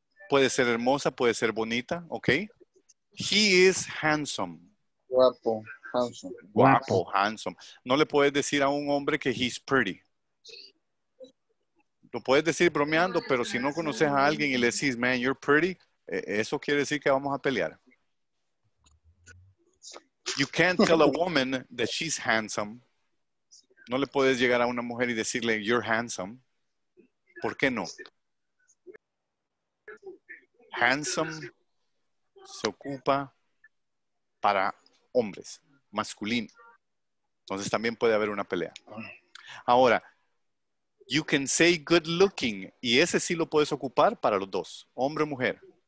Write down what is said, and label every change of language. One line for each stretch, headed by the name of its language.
Spanish: Puede ser hermosa, puede ser bonita, ok.
English: He is handsome.
Spanish: Guapo, handsome. Guapo, handsome. No le puedes decir a un hombre que
English: he's pretty.
Spanish: Lo puedes decir bromeando, pero si no conoces a alguien y le decís,
English: man, you're pretty,
Spanish: eso quiere decir que vamos a pelear.
English: You can't tell a woman that she's handsome.
Spanish: No le puedes llegar a una mujer y decirle,
English: you're handsome.
Spanish: ¿Por qué no? Handsome se ocupa para hombres, masculino. Entonces también puede haber una pelea. Ahora,
English: you can say good looking,
Spanish: y ese sí lo puedes ocupar para los dos, hombre o mujer.